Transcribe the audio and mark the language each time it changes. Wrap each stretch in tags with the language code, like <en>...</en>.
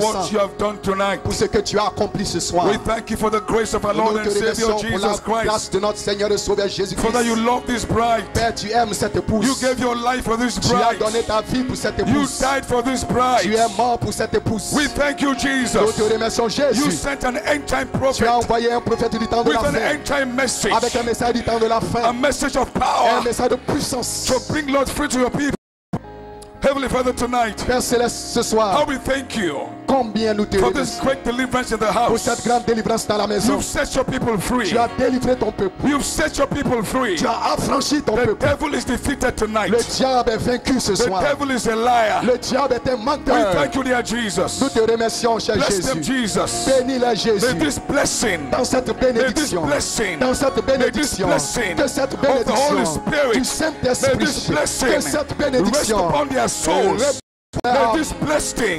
<en>For what you have done tonight.</en> <fr>Pour ce que tu as accompli ce soir.</fr> <en>We thank you for the grace of our Lord and Savior Jesus Christ.</en> <fr>Grâce de notre Seigneur et Sauveur Jésus Christ.</fr> <en>Father, you love this bride.</en> <fr>Père, tu aimes cette épouse.</fr> <en>You gave your life for this bride.</en> <fr>Tu as donné ta vie pour cette épouse.</fr> <en>You died for this bride.</en> <fr>Tu es mort pour cette épouse.</fr> <en>We thank you, Jesus.</en> <fr>Nous te remercions Jésus.</fr> <en>You sent an end time prophet.</en> <fr>Tu as envoyé un prophète du temps de la fin.</fr> <en>With an end time message.</en> <fr>Avec un message du temps de la fin.</fr> <en>A message of power.</en> <fr>Un message de puissance.</fr> <en>To bring Lord free to your people. Heavenly Father, tonight,</en> <fr>Père Céleste, ce soir,</fr> <en>how we thank you</en> <fr>combien nous te</fr> <en>for this great deliverance in the house.</en> <fr>Pour cette grande délivrance dans la maison.</fr> <en>You've set your people free.</en> <fr>Tu as délivré ton peuple.</fr> <en>You've set your people free.</en> <fr>Tu as affranchi ton</fr> <en>the</en> <fr>peuple.</fr> <en>Devil is defeated tonight.</en> <fr>Le diable est vaincu ce</fr> <en>the</en> <fr>soir.</fr> <en>Devil is a liar.</en> <fr>Le diable est un menteur.</fr> <en>We thank you, dear Jesus.</en> <fr>Nous te remercions, cher</fr> <en>bless</en> <fr>Jésus.</fr> <en>Them, Jesus.</en> <fr>Bénis-le, Jésus.</fr> <en>May this blessing.</en> <fr>Dans cette bénédiction.</fr> <en>May this blessing.</en> <fr>Dans cette bénédiction.</fr> <en>May this blessing.</en> <fr>De cette bénédiction.</fr> <en>Of the Holy Spirit.</en> <fr>Du Saint-Esprit.</fr> <en>May this blessing.</en> <fr>De cette bénédiction.</fr> <en>Rest upon their souls. May this blessing</en>